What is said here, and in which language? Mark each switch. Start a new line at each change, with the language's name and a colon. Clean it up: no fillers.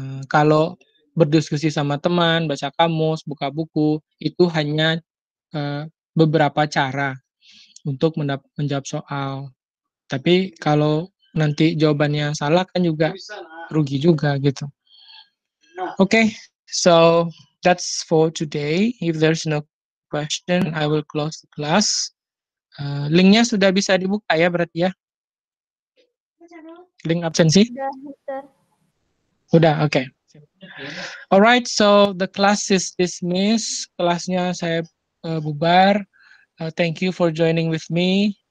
Indonesian: Kalau berdiskusi sama teman, baca kamus, buka buku, itu hanya beberapa cara untuk menjawab soal. Tapi kalau nanti jawabannya salah kan juga rugi juga gitu.
English: Okay, so that's for today. If there's no question, I will close the class.
Indonesian: Linknya sudah bisa dibuka ya berarti ya?
English: Link absensi? Sudah, okay. Alright, so the class is dismissed.
Indonesian: Kelasnya saya bubar.
English: Thank you for joining with me.